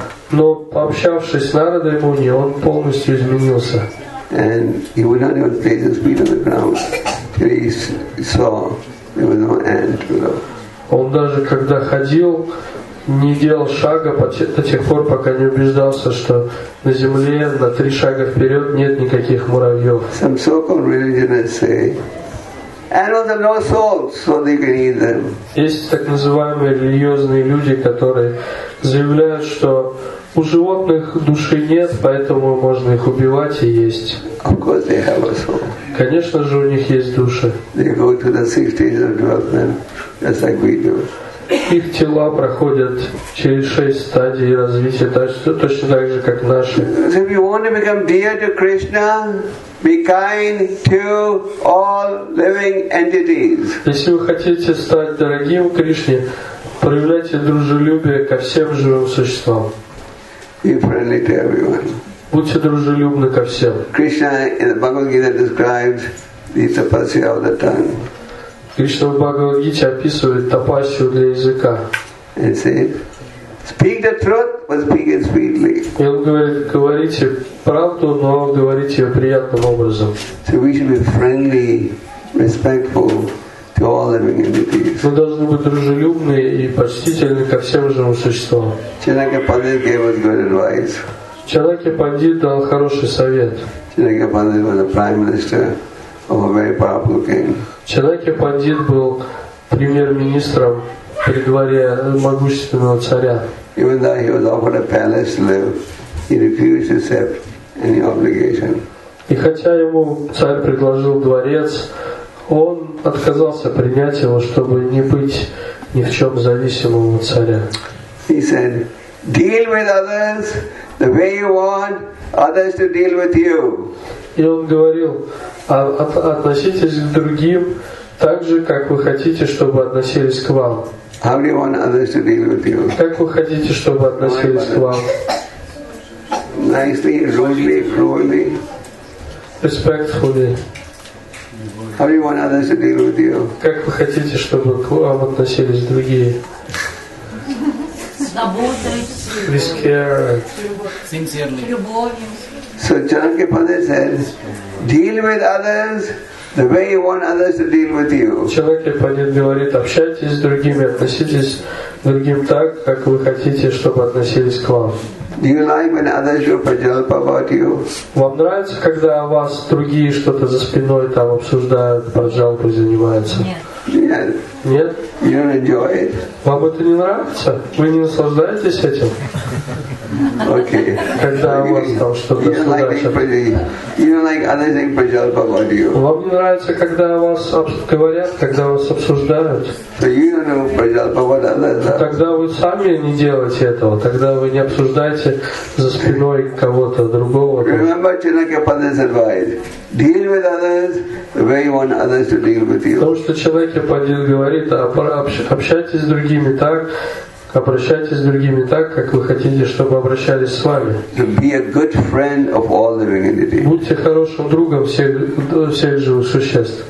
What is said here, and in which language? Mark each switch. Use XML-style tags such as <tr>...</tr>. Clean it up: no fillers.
<ru>Но пообщавшись с Нарадой Муни, он полностью изменился.</ru> <en>And he would not even place his feet on the ground till he saw there was no ant.</en> <ru>Он даже когда ходил, не делал шага до тех пор, пока не убеждался, что на земле на три шага вперед нет никаких муравьев.</ru> <en>Some so-called religionists say, animals have no souls, so they can eat them.</en> <ru>Есть так называемые религиозные люди, которые заявляют, что у животных души нет, поэтому можно их убивать и есть.</ru> <en>Of course they have a soul.</en> <ru>Конечно же, у них есть души.</ru> <en>They go to the six stages of development, just like we do.</en> <ru>Их тела проходят через шесть стадий развития, точно так же, как наши.</ru> <en>So if you want to become dear to Krishna, Be kind to all living entities.</en> <ru>Если вы хотите стать дорогим Кришне, проявляйте дружелюбие ко всем живым существам.</ru> <en>Be friendly to everyone.</en> <ru>Будьте дружелюбны ко всем.</ru> <en>Krishna in the Bhagavad Gita describes the tapasya of the tongue.</en> <ru>Кришна в Бхагавад Гите описывает тапасию для языка.</ru> <en>And said, speak the truth, but speak it sweetly.</en> <ru>И он говорит, говорите правду, но говорите ее приятным образом.</ru> <en>So we should be friendly, respectful to all living entities.</en> <ru>Мы должны быть дружелюбны и почтительны ко всем живым существам.</ru> <en>Чанакья Пандит gave us good advice.</en> <ru>Чанакья Пандит дал хороший совет.</ru> <en>Чанакья Пандит was the prime minister of a very powerful king.</en> <ru>Чанакья Пандит был премьер-министром при дворе могущественного царя.</ru> <en>Even though he was offered a palace to live, he refused to accept any obligation.</en> <ru>И хотя ему царь предложил дворец, он отказался принять его, чтобы не быть ни в чем зависимым от царя.</ru> <en>He said, deal with others the way you want others to deal with you.</en> <ru>И он говорил, относитесь к другим так же, как вы хотите, чтобы относились к вам.</ru> <en>How do you want others to deal with you?</en> <ru>Как вы хотите, чтобы относились к вам?</ru> <en>Nicely, rudely, cruelly. Respectfully. How do you want others to deal with you?</en> <ru>Как вы хотите, чтобы к вам относились другие?</ru> <en>So Chanakya Pandit said, deal with others the way you want others to deal with you.</en> <ru>Chanakya Pandit говорит, общайтесь с другими, относитесь к другим так, как вы хотите, чтобы относились к вам.</ru> <en>Do you like when others do prajalpa about you?</en> <ru>Вам нравится, когда о вас другие что-то за спиной там обсуждают, прожалпы занимаются? Нет. Нет?</ru> <en>You don't enjoy it.</en> <ru>Вам это не нравится? Вы не наслаждаетесь этим?</ru> <en>Okay.</en> <ru>Когда</ru> <en>okay.</en> <ru>У вас там что-то случается?</ru> <en>You don't like others doing prajalpa about you.</en> <ru>Вам не нравится, когда о вас говорят, когда вас обсуждают?</ru> <en>So you don't do prajalpa about others.</en> <ru>Тогда вы сами не делаете этого. Тогда вы не обсуждаете за спиной кого-то другого.</ru> <en>Remember Chanakya Pandit's advice. Deal with others the way you want others to deal with you.</en> <ru>Потому что Чанакья Пандит говорит, общайтесь с другими так, обращайтесь с другими так, как вы хотите, чтобы обращались с вами.</ru> <en>Be a good friend of all living entities.</en> <ru>Будьте хорошим другом всех живых существ.</ru>